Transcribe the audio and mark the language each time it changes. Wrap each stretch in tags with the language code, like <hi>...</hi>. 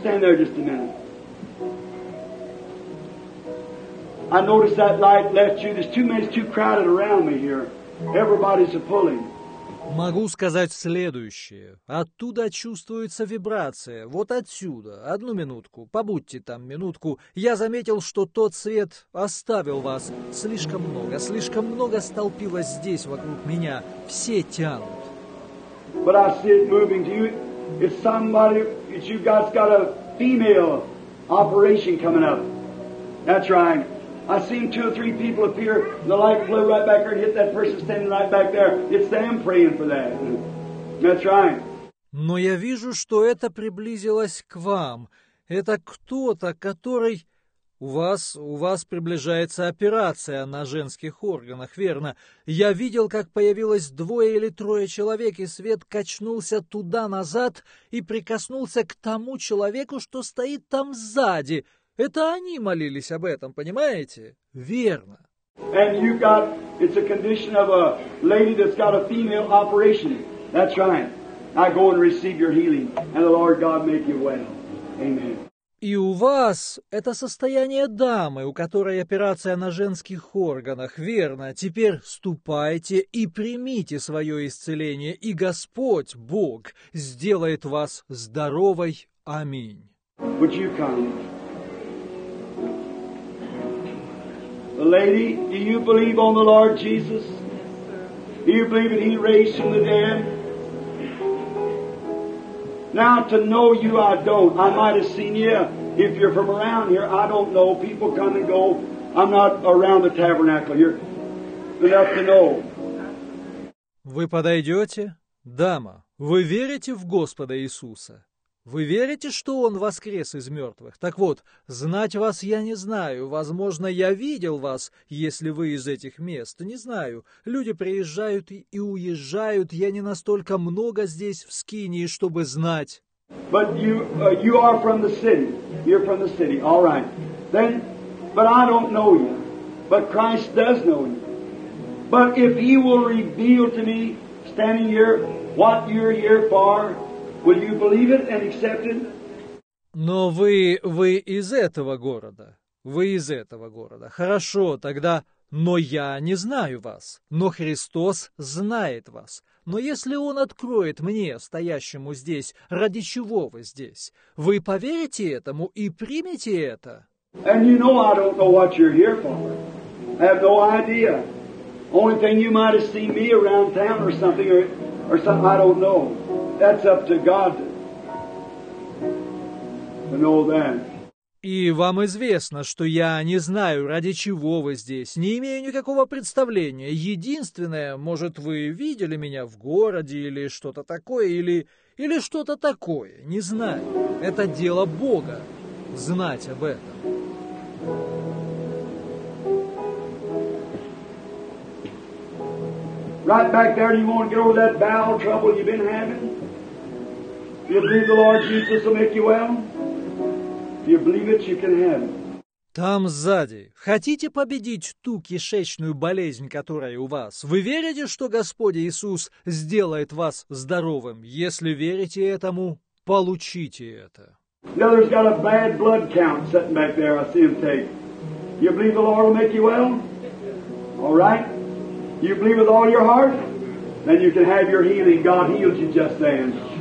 <en>Stand there just a minute. I noticed that light left you. There's too many, it's too crowded around me here. Everybody's a pulling.</en> <ru>Могу сказать следующее. Оттуда чувствуется вибрация. Вот отсюда. Одну минутку. Побудьте там минутку. Я заметил, что тот свет оставил вас. Слишком много. Слишком много столпилось здесь вокруг меня. Все тянут.</ru> <en>But I see it moving. Do you... It's somebody, it's you guys got a female operation coming up. That's right. I seen two or three people appear, the light flew right back there and hit that person standing right back there. It's them praying for that. That's right.</en> <ru>Но я вижу, что это приблизилось к вам. Это кто-то, который... У вас приближается операция на женских органах, верно? Я видел, как появилось двое или трое человек, и свет качнулся туда-назад и прикоснулся к тому человеку, что стоит там сзади. Это они молились об этом, понимаете? Верно.</ru> <en>And you got, it's a condition of a lady that's got a female operation. That's right. I go and receive your healing, and the Lord God make you well. Amen.</en> <ru>И у вас это состояние дамы, у которой операция на женских органах, верно? Теперь ступайте и примите свое исцеление, и Господь, Бог, сделает вас здоровой. Аминь.</ru> <en>Would you come? Lady, do you believe on the Lord Jesus? Do you believe that He raised from the dead? Now to know you, I don't. I might have seen you if you're from around here. I don't know. People come and go. I'm not around the tabernacle here. Enough to know.</en> <ru>Вы подойдете? Дама, вы верите в Господа Иисуса? Вы верите, что Он воскрес из мертвых? Так вот, знать вас я не знаю. Возможно, я видел вас, если вы из этих мест. Не знаю. Люди приезжают и уезжают. Я не настолько много здесь, в Скинии, чтобы знать.</ru> <en>But you are from the city. You're from the city. All right. Then, but I don't know you. But Christ does know you. But if He will reveal to me, standing here, what you're here for, will you believe it and accept it?</en> <ru>Но вы из этого города. Вы из этого города. Хорошо, тогда, но я не знаю вас. Но Христос знает вас. Но если Он откроет мне, стоящему здесь, ради чего вы здесь, вы поверите этому и примете это?</ru> <en>And you know I don't know what you're here for. I have no idea. Only thing you might have seen me around town or something, or something, I don't know. That's up to God to know that.</en> <ru>И вам известно, что я не знаю, ради чего вы здесь, не имею никакого представления. Единственное, может, вы видели меня в городе или что-то такое, или что-то такое, не знаю. Это дело Бога знать об этом.</ru> <en>Right back there, do you want to get over that bowel trouble you've been having? If you believe the Lord Jesus will make you well, if you believe it, you can have it.</en> <ru>Там сзади. Хотите победить ту кишечную болезнь, которая у вас? Вы верите, что Господь Иисус сделает вас здоровым? Если верите этому, получите это.</ru> <en>Now there's got a bad blood count sitting back there, I see him take. You believe the Lord will make you well? All right. You believe with all your heart? Then you can have your healing. God healed you just then.</en>